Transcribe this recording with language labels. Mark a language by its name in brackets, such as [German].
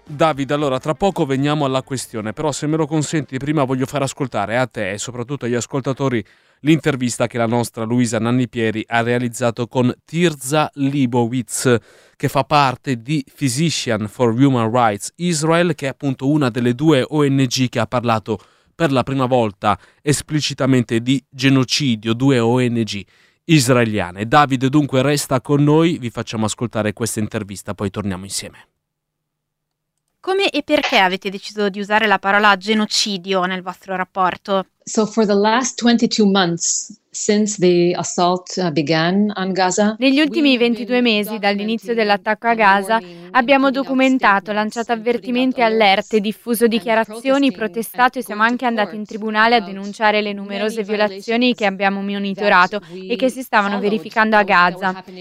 [Italian] Davide, allora tra poco veniamo alla questione, però se me lo consenti prima voglio far ascoltare a te e soprattutto agli ascoltatori l'intervista che la nostra Luisa Nannipieri ha realizzato con Tirza Leibowitz, che fa parte di Physician for Human Rights Israel, che è appunto una delle due ONG che ha parlato per la prima volta esplicitamente di genocidio, due ONG israeliane. Davide, dunque, resta con noi, vi facciamo ascoltare questa intervista, poi torniamo insieme. Come e perché avete deciso di usare la parola genocidio nel vostro rapporto? [English] So for the last 22 months since the assault began on Gaza. [Italian] Negli ultimi 22 mesi dall'inizio dell'attacco a Gaza abbiamo documentato, lanciato avvertimenti, allerte, diffuso dichiarazioni, protestato e siamo anche andati in tribunale a denunciare le numerose violazioni che abbiamo monitorato e che si stavano verificando a Gaza.